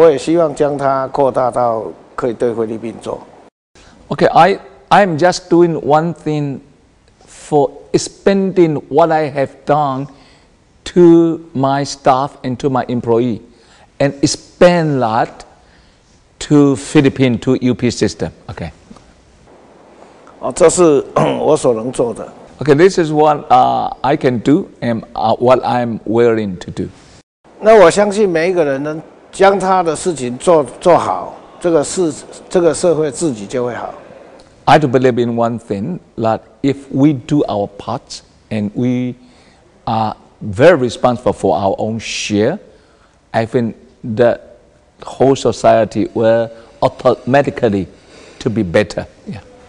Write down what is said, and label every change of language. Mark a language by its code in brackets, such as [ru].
[zh] 所以呢，那个我现在对我员工做的，我也希望将它扩大到可以对菲律宾做。 [en] Okay, I'm just doing one thing for expanding what I have done. To my staff and to my employee, and expand that to Philippine to UP system. Okay. [zh] 哦，这是我所能做的。 [en] Okay, this is what I can do and what I'm willing to do. [zh] 那我相信每一个人能将他的事情做好，这个社会自己就会好。 [en] I do believe in one thing that if we do our parts and we are very responsible for our own share, I think the whole society will automatically to be better. Yeah.